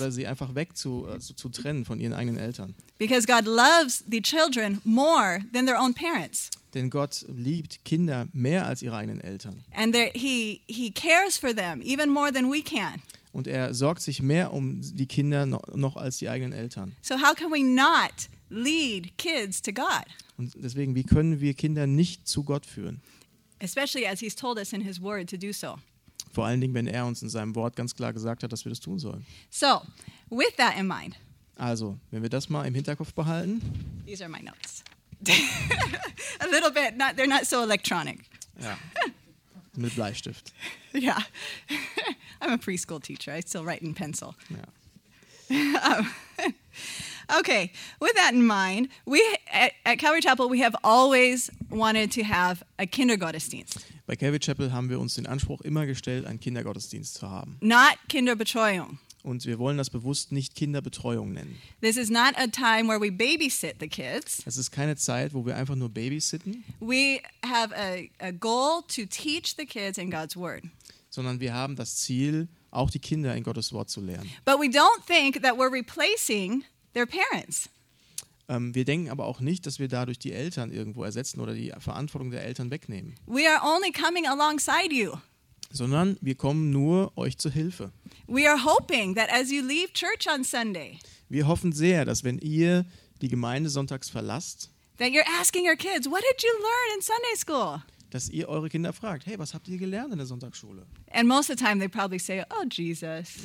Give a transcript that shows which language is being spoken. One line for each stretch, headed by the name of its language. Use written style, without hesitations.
German: Oder sie einfach weg zu trennen von ihren eigenen Eltern.
English: Because God loves the children more than their own parents.
German: Denn Gott liebt Kinder mehr als ihre eigenen Eltern.
English: And he cares for them even more than we can.
German: Und er sorgt sich mehr um die Kinder noch als die eigenen Eltern.
English: So how can we not lead kids to God?
German: Und deswegen, wie können wir Kinder nicht zu Gott führen?
English: Especially as he's told us in his word to do so.
German: Vor allen Dingen, wenn er uns in seinem Wort ganz klar gesagt hat, dass wir das tun sollen.
English: So, with that in mind.
German: Also, wenn wir das mal im Hinterkopf behalten.
English: These are my notes. A little bit, not, they're not so electronic.
German: Ja, mit Bleistift.
English: Ja, I'm a preschool teacher, I still write in pencil.
German: Ja.
English: Okay, with that in mind, we at Calvary Chapel, we have always wanted to have a Kindergottesdienst.
German: Bei Calvary Chapel haben wir uns den Anspruch immer gestellt, einen Kindergottesdienst zu haben.
English: Not Kinderbetreuung.
German: Und wir wollen das bewusst nicht Kinderbetreuung nennen.
English: This is not a time where we babysit the kids.
German: Das ist keine Zeit, wo wir einfach nur babysitten.
English: We have a goal to teach the kids in God's word.
German: Sondern wir haben das Ziel, auch die Kinder in Gottes Wort zu lernen.
English: But we don't think that we're replacing their parents.
German: Wir denken aber auch nicht, dass wir dadurch die Eltern irgendwo ersetzen oder die Verantwortung der Eltern wegnehmen.
English: We are only coming alongside you.
German: Sondern wir kommen nur euch zu Hilfe.
English: We are hoping that as you leave church on Sunday.
German: Wir hoffen sehr, dass wenn ihr die Gemeinde sonntags verlasst,
English: that you're asking your kids, what did you learn in Sunday school?
German: Dass ihr eure Kinder fragt, hey, was habt ihr gelernt in der Sonntagsschule?
English: And most of the time they probably say, oh Jesus.